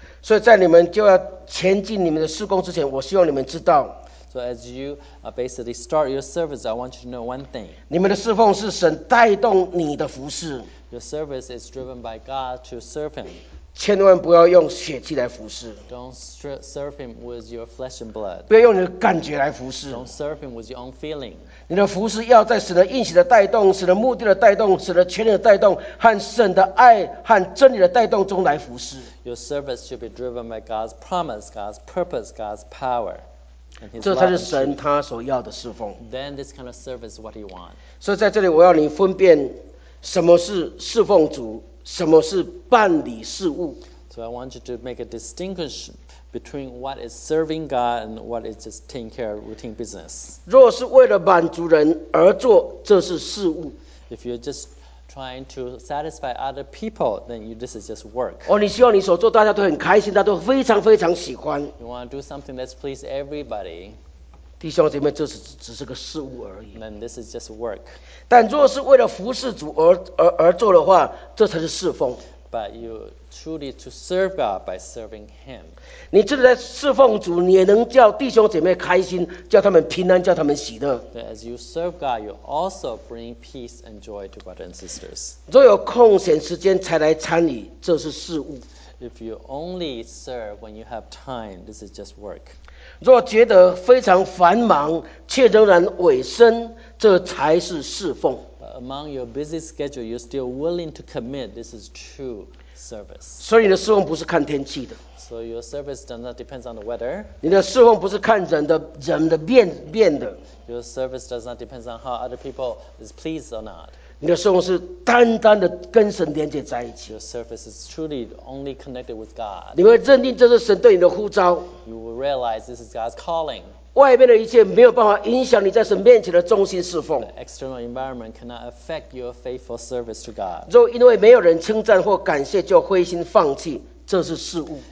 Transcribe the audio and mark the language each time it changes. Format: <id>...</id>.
<zh>所以在你们就要前进你们的事工之前，我希望你们知道。</zh> <en>So as you basically start your service, I want you to know one thing.</en> <zh>你们的侍奉是神带动你的服事。</zh> <en>Your service is driven by God to serve Him.</en> <zh>千万不要用血气来服事。</zh> <en>Don't serve Him with your flesh and blood.</en> <zh>不要用你的感觉来服事。</zh> <en>Don't serve Him with your own feeling.</en> <zh>你的服事要在神的应许的带动、神的目的的带动、神的权力的带动和神的爱和真理的带动中来服事。</zh> <en>Your service should be driven by God's promise, God's purpose, God's power.</en> <zh>这才是神他所要的侍奉。</zh> <en>Then this kind of service is what He wants.</en> <zh>所以在这里，我要你分辨什么是侍奉主，什么是办理事务。</zh> <en>So I want you to make a distinction. Between what is serving God and what is just taking care of routine business.</en> <zh>若是为了满足人而做，这是事务。</zh> <en>If you're just trying to satisfy other people, then this is just work.</en> <zh>哦，你希望你所做大家都很开心，大家都非常非常喜欢。</zh> <en>You want to do something that's please everybody.</en> <zh>弟兄姐妹，这是只是个事务而已。</zh> <en>Then this is just work.</en> <zh>但若是为了服事主而做的话，这才是侍奉。</zh> <en>But you truly to serve God by serving Him.</en> <zh>你真的在侍奉主，你也能叫弟兄姐妹开心，叫他们平安，叫他们喜乐。</zh> <en>That as you serve God, you also bring peace and joy to brothers and sisters.</en> <zh>若有空闲时间才来参与，这是事务。</zh> <en>If you only serve when you have time, this is just work.</en> <zh>若觉得非常繁忙却仍然委身，这才是侍奉。</zh> <en>Among your busy schedule, you're still willing to commit. This is true service.</en> <zh>所以你的侍奉不是看天气的。</zh> <en>So your service does not depend on the weather.</en> <zh>你的侍奉不是看人的变的。</zh> <en>Your service does not depend on how other people is pleased or not.</en> <zh>你的侍奉是单单的跟神连接在一起。</zh> <en>Your service is truly only connected with God.</en> <zh>你会认定这是神对你的呼召。</zh> <en>You will realize this is God's calling.</en> <zh>外面的一切没有办法影响你在神面前的忠心侍奉。</zh> <en>The external environment cannot affect your faithful service to God.</en> <zh>若因为没有人称赞或感谢就灰心放弃，这是事务。</zh>